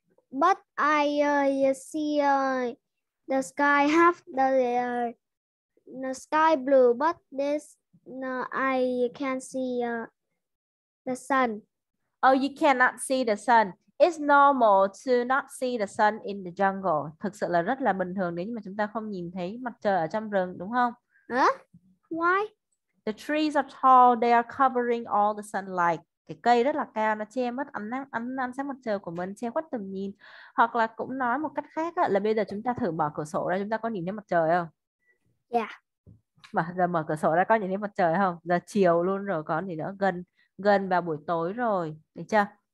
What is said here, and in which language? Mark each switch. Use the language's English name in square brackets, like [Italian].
[English] But I see the sky blue, but I can't see the sun. Oh, you cannot see the sun. It's normal to not see the sun in the jungle. [Vietnamese] Thực sự là rất là bình thường nếu như mà chúng ta không nhìn thấy mặt trời ở trong rừng, đúng không? [English] Ủa? Why? The trees are tall, they are covering all the sunlight. [Vietnamese] Cái cây rất là cao, nó che mất ánh nắng mặt trời của mình, che khuất tầm nhìn. Hoặc là cũng nói một cách khác á, là bây giờ chúng ta thử mở cửa sổ ra, chúng ta có nhìn thấy mặt trời không? Mà giờ mở cửa sổ ra có nhìn thấy mặt trời không? Giờ chiều luôn rồi, còn gì nữa, gần gần vào buổi tối rồi, được chưa?